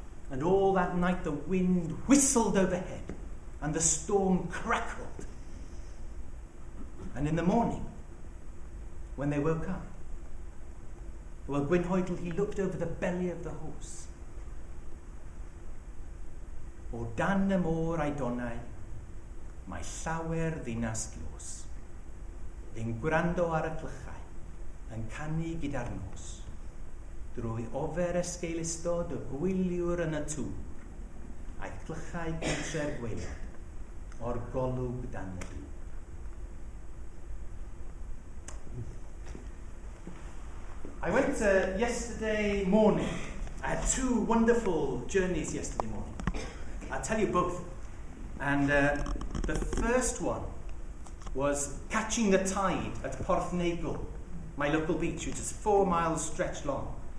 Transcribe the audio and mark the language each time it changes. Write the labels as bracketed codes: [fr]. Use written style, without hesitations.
[en] And all that night the wind whistled overhead and the storm crackled. And in the morning, when they woke up, well, Gwynhoidl, he looked over the belly of the horse. [cy] O dan y môr a'i donau, mae llawer ddinas glos, yn gwrando ar y clychau, yn canu gyda'r nos. Drwy ofer ysgeilistod y gwyliwr yn y tŵr, a'i clychau gyntre'r gweled o'r golwg dan y dŵr. [en] I went yesterday morning. I had two wonderful journeys yesterday morning. I'll tell you both. And the first one was catching the tide at Porthnagel, my local beach, which is 4 miles stretch long.